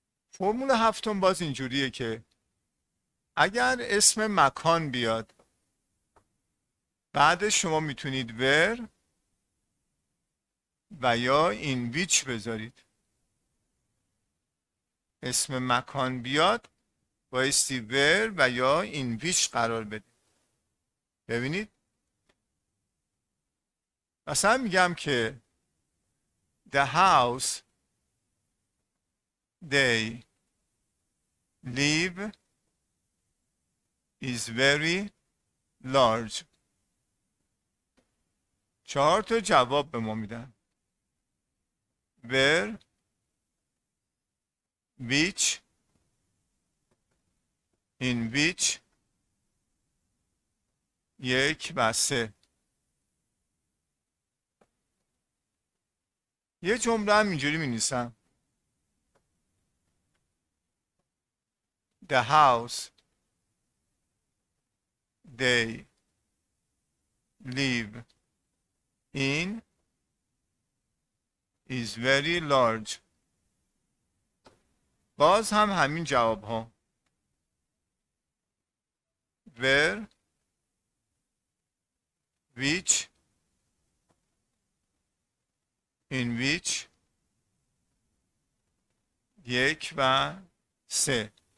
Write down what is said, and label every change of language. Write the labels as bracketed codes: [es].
[fa] فرمول هفتم باز اینجوریه که اگر اسم مکان بیاد، بعد شما میتونید where و یا in which بذارید. اسم مکان بیاد بایستی where و یا in which قرار بده. ببینید مثلا میگم که [en] the house they live is very large. [fa] چهار تا جواب به ما میدن: where، which، in which، یک و سه. یه جمله هم اینجوری می نویسم: [en] the house they live in is very large. [fa] باز هم همین جواب ها: where، which، in which، یک و سه.